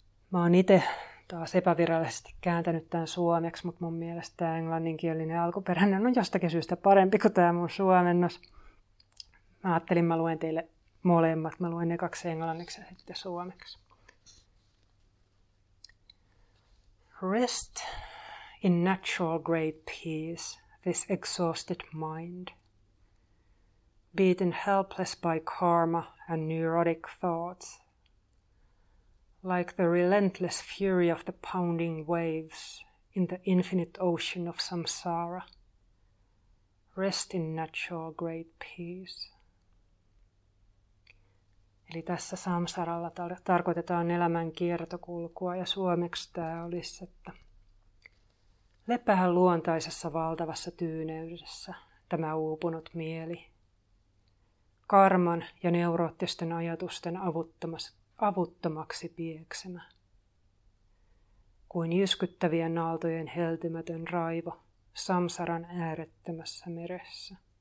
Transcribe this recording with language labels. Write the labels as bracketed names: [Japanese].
[Finnish] Mä oon itse taas epävirallisesti kääntänyt tämän suomeksi, mutta mun mielestä tämä englanninkielinen alkuperäinen on jostakin syystä parempi kuin tämä mun suomennos. Mä ajattelin, mä luen teille molemmat. Mä luen ne kaksi englanniksi ja sitten suomeksi. [English] Rest in natural great peace, this exhausted mind. Beaten helpless by karma and neurotic thoughts. Like the relentless fury of the pounding waves in the infinite ocean of samsara. Rest in natural great peace. [Finnish] Eli tässä samsaralla tarkoitetaan elämän kiertokulkua, ja suomeksi tämä olisi, että lepää luontaisessa valtavassa tyyneydessä tämä uupunut mieli. Karman ja neuroottisten ajatusten avuttomaksi pieksemä, kuin jyskyttävien aaltojen heltymätön raivo samsaran äärettömässä meressä.